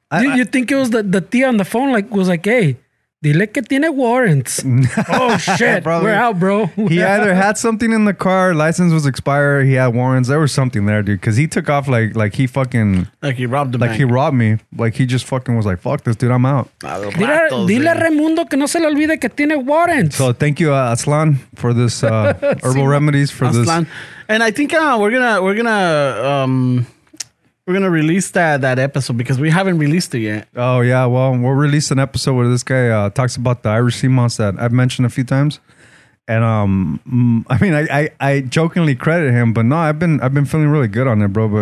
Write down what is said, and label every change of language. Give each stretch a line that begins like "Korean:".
English: You think it was the tia on the phone like was like, hey,
Spanish: dile que tiene warrants.
English: Oh, shit, we're out, bro. He either had something in the car, license was expired, he had warrants, there was something there, dude, because he took off like he fucking... Like he robbed the like bank. Like he robbed me. Like he just fucking was like, fuck this, dude, I'm out.
Spanish: Dile a Raimundo que no se le olvide que tiene warrants.
English: So thank you, Aslan, for this herbal remedies for Aslan. This. Aslan. And I think we're gonna release that episode because we haven't released it yet. Oh yeah, well we'll release an episode where this guy talks about the Irish sea monster that I've mentioned a few times, and I mean I jokingly credit him, but no, I've been feeling really good on it, bro.